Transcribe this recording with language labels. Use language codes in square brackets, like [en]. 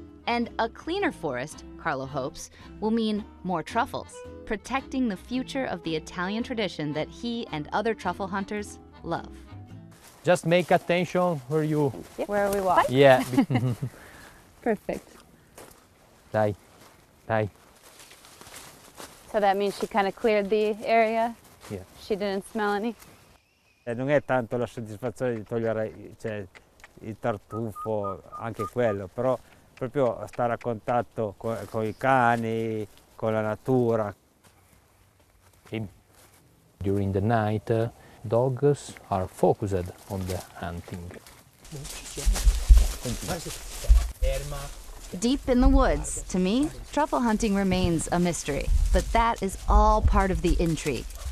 [en] And a cleaner forest, Carlo hopes, will mean more truffles, protecting the future of the Italian tradition that he and other truffle hunters love. Just make attention where you... Yep. Where we walk. Bye. Yeah. Perfect. [it] Dai. Dai. [en] So that means she kind of cleared the area? Yeah. She didn't smell any? [it] Non è tanto la soddisfazione di togliere il tartufo, anche quello, però proprio stare a contatto con i cani, con la natura. [en] During the night, dogs are focused on the hunting. Deep in the woods, to me, truffle hunting remains a mystery, but that is all part of the intrigue.